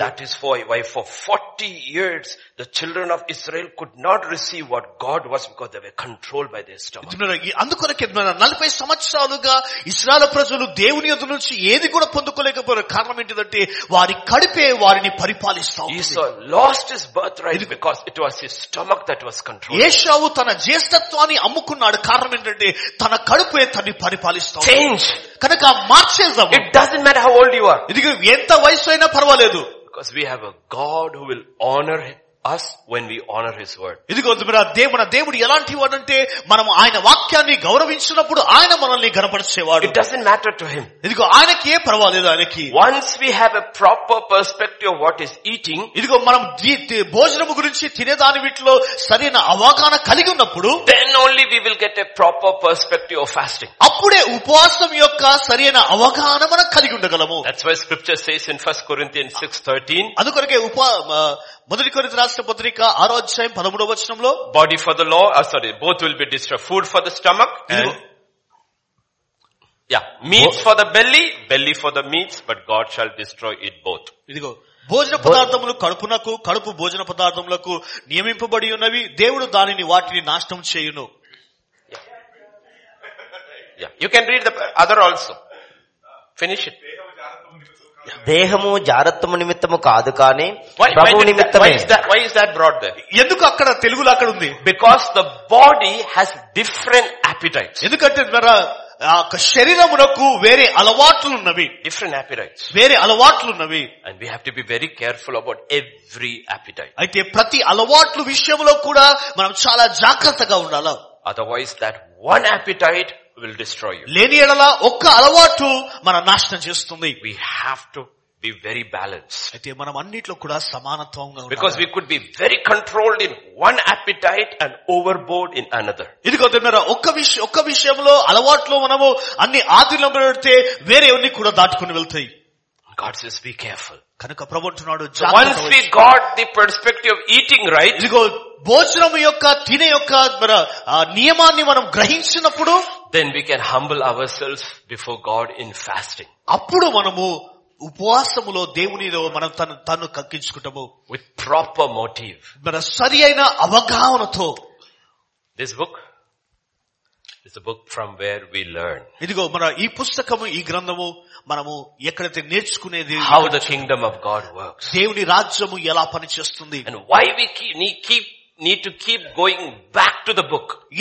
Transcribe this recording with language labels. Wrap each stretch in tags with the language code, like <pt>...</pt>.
<en>That is why for 40 years the children of Israel could not receive what God was because they were controlled by their stomach.</en> <te>అందుకొరకే 40 సంవత్సరాలుగా ఇశ్రాయేలు ప్రజలు దేవుని యొద్ద నుంచి ఏది కూడా పొందుకోలేకపోయారు. కారణం ఏంటంటే వారి కడుపే వారిని పరిపాలిస్తా ఉంది.</te> <en>Esau lost his birthright because it was his stomach that was controlled.</en> <te>యేషావు తన జ్యేష్ఠత్వాన్ని అమ్ముకున్నాడు. కారణం ఏంటంటే తన కడుపే తన్ని పరిపాలిస్తా ఉంది.</te> <en>Change.</en> <te>కనుక మార్చేద్దాం.</te> <en>It doesn't matter how old you are.</en> <te>ఇది ఎంత వయసు అయినా పర్వాలేదు.</te> <en>Because we have a God who will honor us when we honor his word.</en> <te>ఇదిగో మన దేవుడు ఎలాంటి వాడు అంటే మనం ఆయన వాక్యాన్ని గౌరవించినప్పుడు ఆయన మనల్ని గణపరిచేవాడు.</te> <en>It doesn't matter to him.</en> <te>ఇదిగో ఆయనకి ఏ పర్వాలేదు ఆయనకి.</te> <en>Once we have a proper perspective of what is eating.</en> <te>ఇదిగో మనం భోజనము గురించి తినేదాని వీటిలో సరైన అవగాహన కలిగి ఉన్నప్పుడు</te> <en>then only we will get a proper perspective of fasting.</en> <te>అప్పుడే ఉపవాసం యొక్క సరైన అవగాహన మనం కలిగి ఉండగలము.</te> <en>That's why scripture says in 1 Corinthians 6:13.</en> <te>అదుకొరకే మొదటి కొరింథీ రాష్ట్ర పత్రిక 6:13</te> <en>Body for the law ah sorry both will be destroy food for the stomach yeah meats for the belly belly for the meats but God shall destroy it both.</en> <te>ఇదిగో భోజన పదార్థములు కడుపునకు కడుపు భోజన పదార్థములకు నియమింపబడి ఉన్నవి దేవుడు దానిని వాటిని నాశనం చేయును.</te> <en>Yeah, you can read the other also. Finish it.</en> <te>దేహము జారత్వము నిమిత్తము కాదు కానీ ప్రభు నిమిత్తమే.</te> <en>Why is that brought there?</en> <te>ఎందుకు అక్కడ తెలుగులో అక్కడ ఉంది?</te> <en>Because the body has different appetites.</en> <te>ఎందుకంటే మరి శరీరమునకు వేరే అలవాట్లు ఉన్నవి.</te> <en>Different appetites.</en> <te>వేరే అలవాట్లు ఉన్నవి.</te> <en>And we have to be very careful about every appetite.</en> <te>అయితే ప్రతి అలవాట్లు విషయంలో కూడా మనం చాలా జాగ్రత్తగా ఉండాలి.</te> <en>Otherwise that one appetite will destroy you.</en> <te>లేని ఎడల ఒక్క అలవాటు మన నాశనం చేస్తుంది.</te> <en>We have to be very balanced.</en> <te>అయితే మనం అన్నిట్లో కూడా సమానత్వంగా ఉండాలి.</te> <en>Because we could be very controlled in one appetite and overboard in another.</en> <te>ఇదిగో దేవుడు ఒక్క విషయంలో అలవాట్లో మనము అన్ని ఆధీనంలో పెడితే వేరేవన్నీ కూడా దాటుకుని వెళ్తాయి.</te> <en>God says be careful.</en> <te>కనుక ప్రభు అంటున్నాడు జాగ్రత్త.</te> <en>Once we got the perspective of eating right,</en> <te>ఇదిగో భోజనము యొక్క తినే యొక్క మన నియమాన్ని మనం గ్రహించినప్పుడు</te> <en>then we can humble ourselves before God in fasting.</en> <te>అప్పుడు మనము ఉపవాసములో దేవునిలో మనం తన తన్ను కక్కించుకుంటాము.</te> <en>With proper motive.</en> <te>మన సరైన అవగాహనతో.</te> <en>This book is a book from where we learn.</en> <te>ఇదిగో మన ఈ పుస్తకము ఈ గ్రంథము మనము ఎక్కడైతే నేర్చుకునేది.</te> <en>How the kingdom of God works.</en> <te>దేవుని రాజ్యము ఎలా పనిచేస్తుంది.</te> <en>And why we need to keep going back to the book.</en>